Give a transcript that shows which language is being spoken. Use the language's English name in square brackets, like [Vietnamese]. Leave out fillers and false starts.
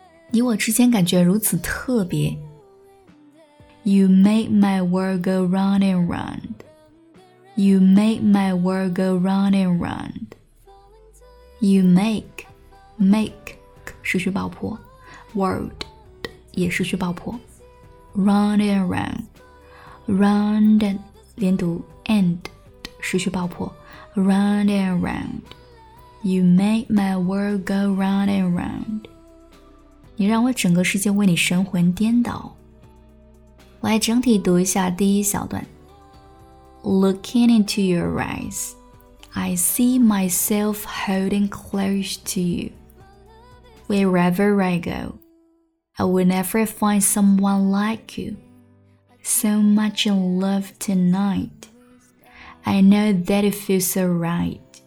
[Chinese] 你我之间感觉如此特别。 [English] You make my world go round and round. You make my world go round and round. You make [Chinese] 失去爆破 [English] world [Chinese] 也失去爆破 [English] round and round, round and [Chinese] 连读 [English] and 失去爆破 round and round. You make my world go round and round. [Chinese] 你让我整个世界为你神魂颠倒。来整体读一下第一小段。 [English] looking into your eyes, I see myself holding close to you. Wherever I go, I will never find someone like you. So much in love tonight. I know that it feels so right.